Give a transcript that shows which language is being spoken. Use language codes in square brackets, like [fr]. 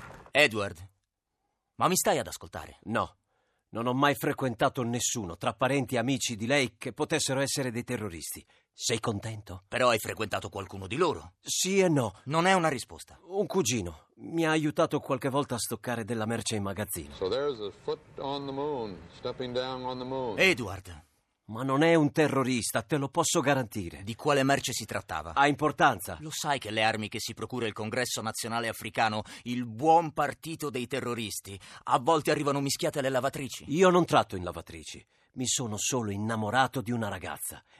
[it] Edward, ma mi stai ad ascoltare? No, non ho mai frequentato nessuno, tra parenti e amici di lei, che potessero essere dei terroristi. Sei contento? Però hai frequentato qualcuno di loro? Sì e no. Non è una risposta. Un cugino mi ha aiutato qualche volta a stoccare della merce in magazzino. [en] So there's a foot on the moon, stepping down on the moon. [it] Edward, ma non è un terrorista, te lo posso garantire. Di quale merce si trattava? Ha importanza. Lo sai che le armi che si procura il Congresso Nazionale Africano, il buon partito dei terroristi, a volte arrivano mischiate alle lavatrici? Io non tratto in lavatrici. Mi sono solo innamorato di una ragazza.